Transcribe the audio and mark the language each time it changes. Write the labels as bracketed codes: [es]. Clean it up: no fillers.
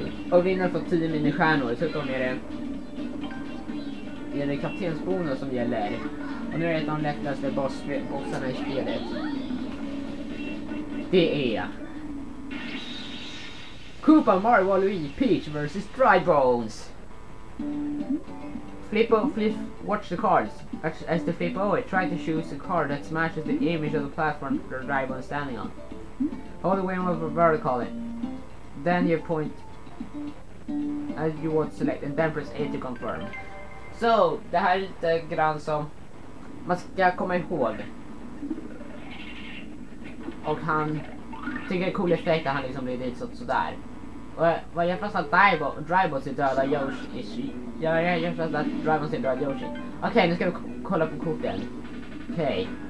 [sv] Och vinnaren får 10 minisjärnor. Så kommer det. Det är kaptensbonus som gäller. Och nu är det de lättaste bossarna i spelet. Det är Koopa, Mario, Waluigi, Peach vs. [en] Drybones. Flip, watch the cards. As the flip over, try to choose a card that matches the image of the platform the Drybone is standing on. Hold the wheel over vertical. Then you point as you want to select and then press A to confirm. [sv] Så, det här är lite grann som man ska komma ihåg. Och han tycker det är cool effekt att han liksom blir dit sådär. Och vad jag förstår att Drybots är döda Yoshi. Jag förstår att Drybots är döda Yoshi. Okej, nu ska vi kolla på korten. Okej.